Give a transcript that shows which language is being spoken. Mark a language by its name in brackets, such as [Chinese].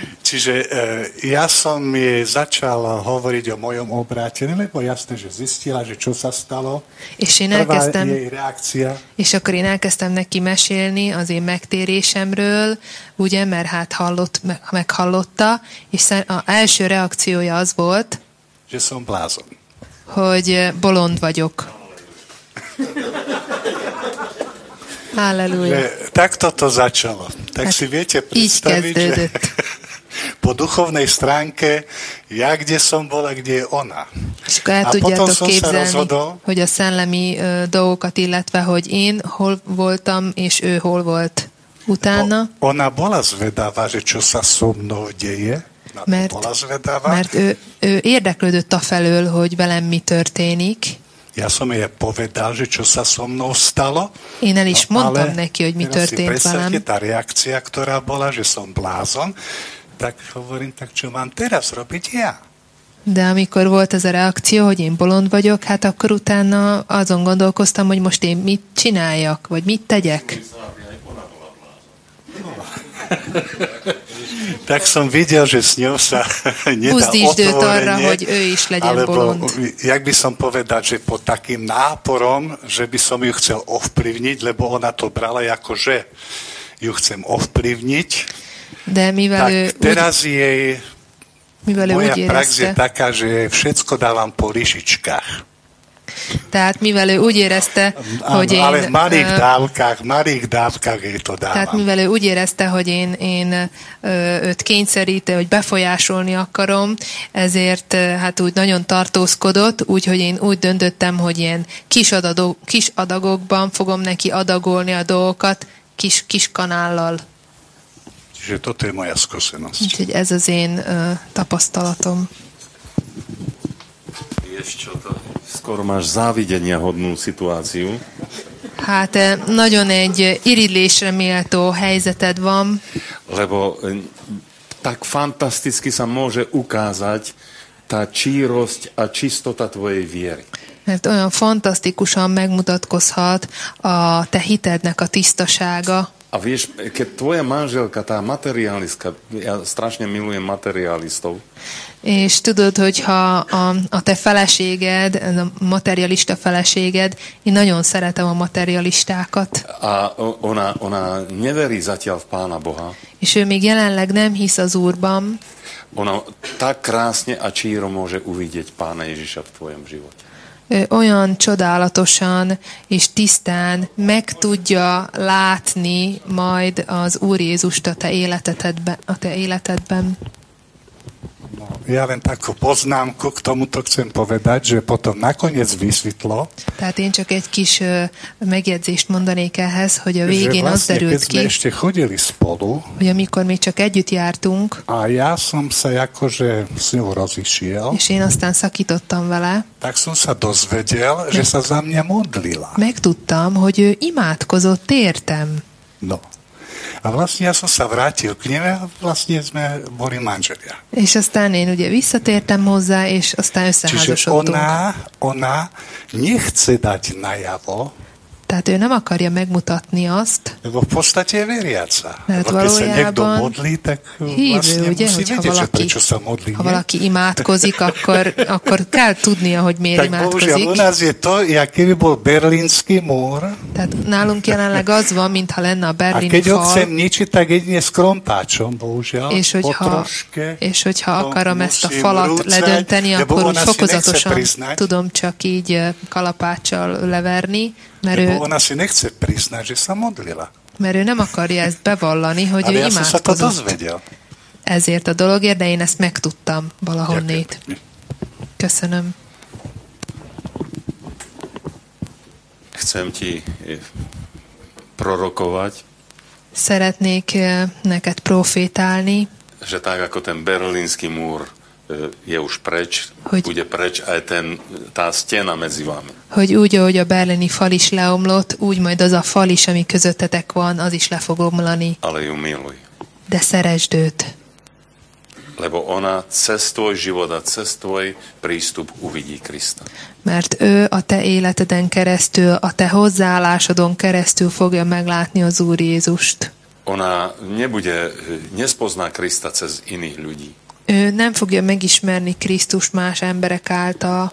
[Slovak] Čiže ja som jej začal hovoriť o mojom obrátení, lebo jasné, že zistila, že čo sa stalo. Prvá jej reakcia. [Hungarian] És akkor én elkezdtem neki mesélni az én megtérésemről, ugye, mert hát hallott, meghallotta, és az első reakciója az volt, [Slovak] že som blázon. [Hungarian] Hogy bolond vagyok. Halleluja. [Slovak] Tak toto začalo. Tak hát si viete predstaviť, že po duchovnej stránke ja kde som bol a kde je ona. A potom som [Hungarian] képzelni, [Slovak] sa rozhodol, [Hungarian] hogy a szellemi dolgokat, illetve hogy én hol voltam és ő hol volt utána. [Slovak] Ona bola zvedavá, že čo sa so mnou deje. [Hungarian] Mert ő érdeklődött afelől, hogy velem mi történik. [Slovak] Ja som jej povedal, že čo sa so mnou stalo. [Hungarian] Én el is mondtam neki, hogy mi történt velem. [Slovak] Teraz si predstavte tá reakcia, ktorá bola, že som blázon. Tak hovorím, tak čo mám teraz robiť ja? [Hungarian] De amikor volt ez a reakció, hogy én bolond vagyok, hát akkor utána azon gondolkoztam, hogy most én mit csináljak, vagy mit tegyek. [Slovak] Tak som videl, že s ňou sa nedá otvorenie, [Hungarian] hogy ő is legyen [Slovak] alebo [Hungarian] bolond. [Slovak] Jak by som povedal, že pod takým náporom, že by som ju chcel ovplyvniť, lebo ona to brala ako, že ju chcem ovplyvniť, [Hungarian] de mivel [Slovak] tak teraz [Hungarian] úgy, [Slovak] jej [Hungarian] mivel [Slovak] moja prax je taká, že všetko dávam po lyžičkách. [Hungarian] Tehát mivel ő úgy érezte, hogy [Slovak] én... Ale v malých dávkách, jej to dávam. [Hungarian] Tehát mivel ő úgy érezte, hogy én őt kényszeríti, hogy befolyásolni akarom, ezért hát úgy nagyon tartózkodott, úgyhogy én úgy döntöttem, hogy ilyen kis adagokban fogom neki adagolni a dolgokat, kis kanállal. Úgyhogy [Slovak] toto je moja skúsenosť. [Hungarian] Úgyhogy ez az én tapasztalatom. [Slovak] Vieš čo to... Skoro máš závidenia hodnú situáciu. [Hungarian] Hát, nagyon egy iridlésre méltó helyzeted van. [Slovak] Lebo tak fantasticky sa môže ukázať tá čírosť a čistota tvojej viery. [Hungarian] Mert olyan fantasztikusan megmutatkozhat a te hitednek a tisztasága. [Slovak] A vieš, keď tvoja manželka, tá materialistka, ja strašne milujem materialistov. [Hungarian] És tudod, hogyha a te feleséged, a materialista feleséged, én nagyon szeretem a materialistákat. [Slovak] A ona neverí zatiaľ v Pána Boha. [Hungarian] És ő még jelenleg nem hisz az Úrban. [Slovak] Ona tak krásne a číro môže uvidieť Pána Ježiša v tvojom živote. [Hungarian] Olyan csodálatosan és tisztán meg tudja látni majd az Úr Jézust a te életedben. [Slovak] Ja len takú poznámku k tomuto chcem povedať, že potom nakoniec vysvetlo. [Hungarian] Tehát én csak egy kis megjegyzést mondanék ehhez, hogy a végén az derült ki, [Slovak] ešte chodili spolu, [Hungarian] hogy amikor mi csak együtt jártunk, [Slovak] a ja som sa akože s ňou rozišiel, [Hungarian] és én aztán szakítottam vele, [Slovak] tak som sa dozvedel, že sa za mňa modlila. [Hungarian] Megtudtam, hogy ő imádkozott értem. [Slovak] No. A vlastne ja som sa vrátil k nej a vlastne sme boli manželia. [Hungarian] És aztán én ugye visszatértem hozzá, és aztán összeházasodtunk. [Slovak] Čiže ona nechce dať najavo. [Hungarian] Tehát ő nem akarja megmutatni azt. [Slovak] Lebo v podstate je veriaca. Lebo keď sa niekto modlí, tak vlastne musí vedieť, že prečo sa modlí. [Hungarian] Ha valaki imádkozik, akkor kell tudnia, hogy miért imádkozik. [Slovak] Tak bohužiaľ, u nás je to, akýby bol berlínsky múr. [Hungarian] Tehát nálunk jelenleg az van, mintha lenne a berlín [Slovak] fal. A keď ho chcem ničiť, tak jedine s krompáčom, bohužiaľ, potroške. [Hungarian] És hogyha akarom ezt a falat ledönteni, akkor úgy fokozatosan tudom csak így kalapáccsal leverni. Mert [Slovak] ona si nechce priznať, že sa modlila. [Hungarian] Mert ő nem akarja ezt bevallani, hogy ő imádkozott. [Slovak] Ale ja som sa to dozvedel. [Hungarian] Ezért a dologért, de én ezt megtudtam valahonnét. Köszönöm. [Slovak] Chcem ti prorokovať. [Hungarian] Szeretnék neked profétálni. [Slovak] Že tak, ako ten berlínsky múr je už preč, hogy, bude preč aj ten, tá stena medzi vami. [Hungarian] Hogy úgy, ahogy a berlini fal is leomlott, úgy majd az a fal is, ami közöttetek van, az is le fog omlani. [Slovak] Ale ju miluj. [Hungarian] De szeresd őt. [Slovak] Lebo ona cez tvoj život a cez tvoj prístup uvidí Krista. [Hungarian] Mert ő a te életeden keresztül, a te hozzáállásodon keresztül fogja meglátni az Úr Jézust. [Slovak] Ona nebude, nespozná Krista cez iných ľudí. [Hungarian] Ő nem fogja megismerni Krisztus más emberek által,